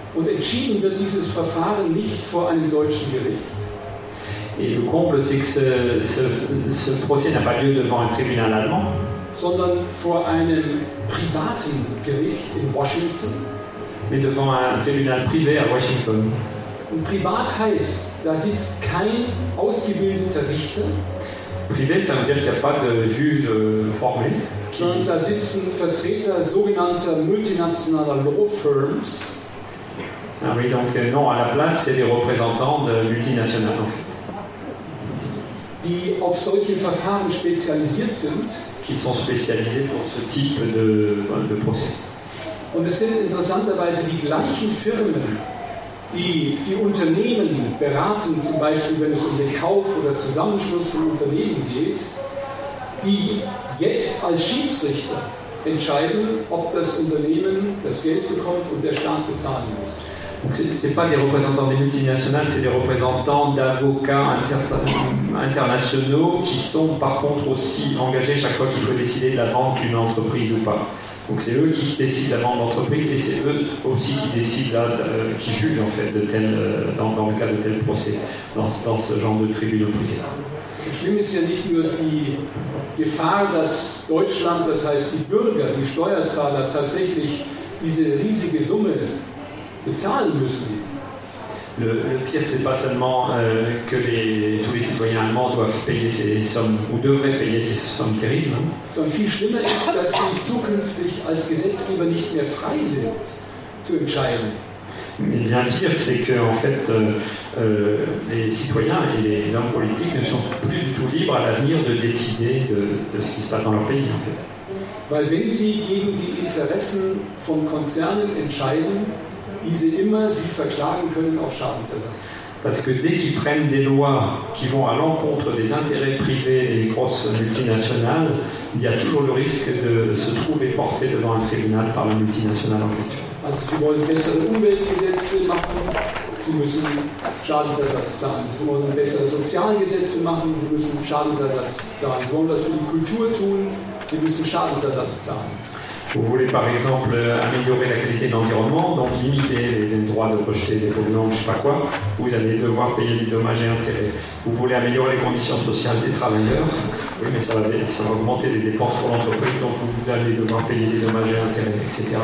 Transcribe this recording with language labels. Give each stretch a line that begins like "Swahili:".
German: Und entschieden wird dieses Verfahren nicht vor einem deutschen Gericht.
French: Et le comble, c'est que ce procès n'a pas lieu devant un tribunal allemand,
German: sondern vor einem privaten Gericht in Washington.
French: Mais devant un tribunal privé à Washington.
German: Und privat heißt, da sitzt kein ausgebildeter Richter.
French: Privé, ça veut dire qu'il n'y a pas de juge formé.
German: Sondern da sitzen Vertreter sogenannter multinationaler law firms.
French: Ah oui, donc non, à la place, c'est des représentants de multinationales, en fait.
German: Die auf solche Verfahren spezialisiert sind.
French: Qui sont spécialisés pour ce type de procès.
German: Und es sind interessanterweise die gleichen Firmen, die Unternehmen beraten, zum Beispiel wenn es um den Kauf oder Zusammenschluss von Unternehmen geht, die jetzt als Schiedsrichter entscheiden, ob das Unternehmen das Geld bekommt und der Staat bezahlen muss.
French: Donc ce n'est pas des représentants des multinationales, c'est des représentants d'avocats internationaux qui sont par contre aussi engagés chaque fois qu'il faut décider de la vente d'une entreprise ou pas. Donc c'est eux qui décident la vente d'entreprise et c'est eux aussi qui décident, qui jugent en fait de tel, dans le cas de tel procès, dans ce genre de tribunaux privés.
German: Le schlimm ist ja nicht nur die Gefahr, dass Deutschland, das heißt die Bürger, die Steuerzahler, tatsächlich diese riesige Summe bezahlen müssen.
French: Le pire, c'est pas seulement que tous les citoyens allemands doivent payer ces sommes ou devraient payer ces sommes terribles.
German: Sondern viel schlimmer ist, dass sie zukünftig als Gesetzgeber nicht mehr frei sind, zu entscheiden.
French: Mais bien pire, c'est que en fait, les citoyens et les hommes politiques ne sont plus du tout libres à l'avenir de décider de ce qui se passe dans leur pays, en fait.
German: Weil wenn sie gegen die Interessen von Konzernen entscheiden, die sie immer sie verklagen können auf Schadensersatz.
French: Parce que dès qu'ils prennent des lois qui vont à l'encontre des intérêts privés des grosses multinationales, il y a toujours le risque de se trouver porté devant un tribunal par la multinationale en question.
German: Also, sie wollen bessere Umweltgesetze machen, sie müssen Schadensersatz zahlen. Sie wollen bessere Sozialgesetze machen, sie müssen Schadensersatz zahlen. Sie wollen das für die Kultur tun, sie müssen Schadensersatz zahlen.
French: Vous voulez par exemple améliorer la qualité de l'environnement, donc limiter les droits de rejeter des polluants, je ne sais pas quoi, vous allez devoir payer des dommages et intérêts. Vous voulez améliorer les conditions sociales des travailleurs, oui, mais ça va augmenter les dépenses pour l'entreprise, donc vous allez devoir payer des dommages et intérêts, etc.